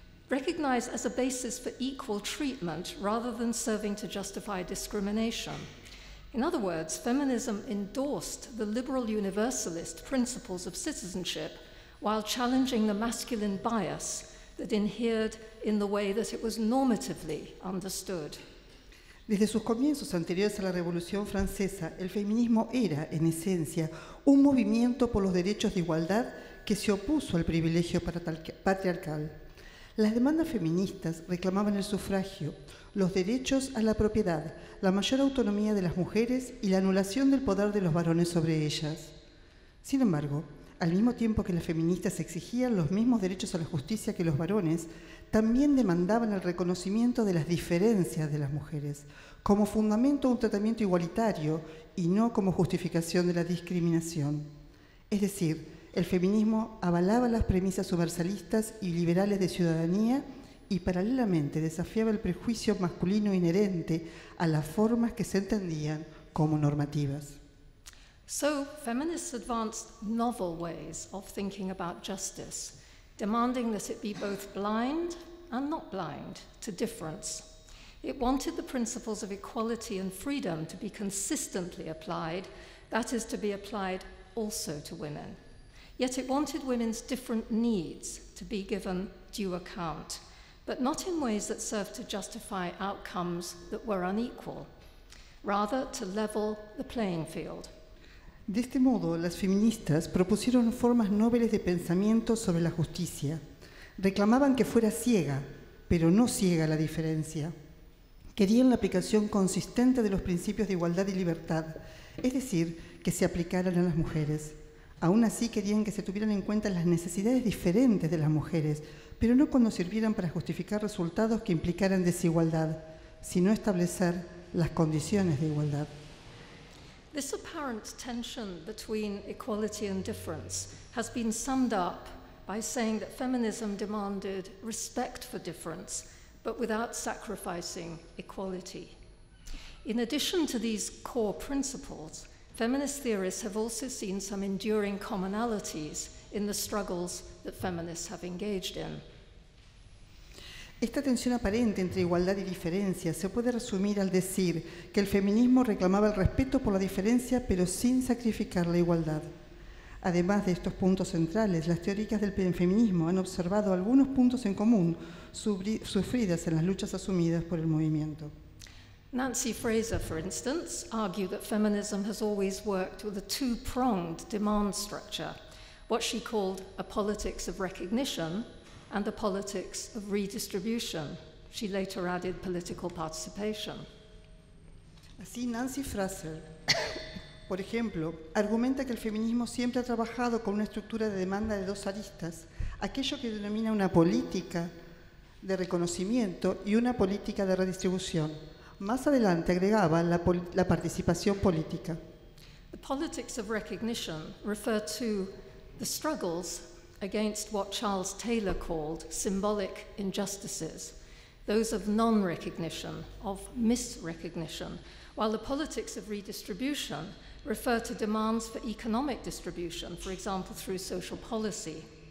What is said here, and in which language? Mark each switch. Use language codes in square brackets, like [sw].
[en] Recognized as a basis for equal treatment rather than serving to justify discrimination. In other words, feminism endorsed the liberal universalist principles of citizenship while challenging the masculine bias that inhered in the way that it was normatively understood. [es] Desde sus comienzos anteriores a la Revolución Francesa, el feminismo era, en esencia, un movimiento por los derechos de igualdad que se opuso al privilegio patriarcal. Las demandas feministas reclamaban el sufragio, los derechos a la propiedad, la mayor autonomía de las mujeres y la anulación del poder de los varones sobre ellas. Sin embargo, al mismo tiempo que las feministas exigían los mismos derechos a la justicia que los varones, también demandaban el reconocimiento de las diferencias de las mujeres, como fundamento de un tratamiento igualitario y no como justificación de la discriminación. Es decir, el feminismo avalaba las premisas universalistas y liberales de ciudadanía y paralelamente desafiaba el prejuicio masculino inherente a las formas que se entendían como normativas. [en] So, feminists advanced novel ways of thinking about justice, demanding that it be both blind and not blind to difference. It wanted the principles of equality and freedom to be consistently applied, that is to be applied also to women. Yet it wanted women's different needs to be given due account, but not in ways that served to justify outcomes that were unequal, rather to level the playing field. [es] De este modo, las feministas propusieron formas nobles de pensamiento sobre la justicia. Reclamaban que fuera ciega, pero no ciega la diferencia. Querían la aplicación consistente de los principios de igualdad y libertad, es decir, que se aplicaran a las mujeres. Aún así querían que se tuvieran en cuenta las necesidades diferentes de las mujeres, pero no cuando sirvieran para justificar resultados que implicaran desigualdad, sino establecer las condiciones de igualdad. [en] This apparent tension between equality and difference has been summed up by saying that feminism demanded respect for difference, but without sacrificing equality. In addition to these core principles, feminist theorists have also seen some enduring commonalities in the struggles that feminists have engaged in. [es] Esta tensión aparente entre igualdad y diferencia se puede resumir al decir que el feminismo reclamaba el respeto por la diferencia, pero sin sacrificar la igualdad. Además de estos puntos centrales, las teóricas del feminismo han observado algunos puntos en común sufridas en las luchas asumidas por el movimiento. [en] Nancy Fraser, for instance, argued that feminism has always worked with a two-pronged demand structure, what she called a politics of recognition and a politics of redistribution. She later added political participation. [es] Así, Nancy Fraser, por ejemplo, argumenta que el feminismo siempre ha trabajado con una estructura de demanda de dos aristas, aquello que denomina una política de reconocimiento y una política de redistribución. Más adelante agregaba la participación política. [en] The politics of recognition refer to the struggles against what Charles Taylor called symbolic injustices, those of non-recognition, of misrecognition, while the politics of redistribution refer to demands for economic distribution, for example, through social policy.